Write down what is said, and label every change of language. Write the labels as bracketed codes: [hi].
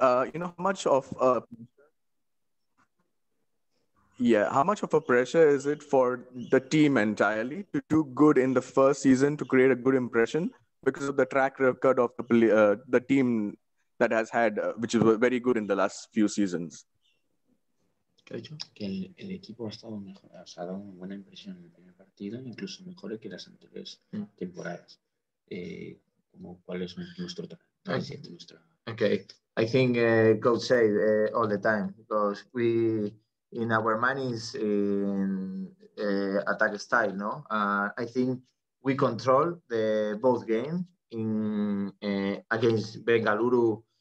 [en] How much of a pressure is it for the team entirely to do good in the first season to create a good impression, because of the track record of the team that has had, which is very good in the last few seasons? [es] Que el equipo ha estado mejor, o sea, ha dado una buena impresión en el primer partido, incluso mejor que las anteriores temporadas. Como cuál es nuestro trabajo. [en] Okay. I think coach said all the time, because we in our mind is in attack style, no? I think we control the both games in against Bengaluru.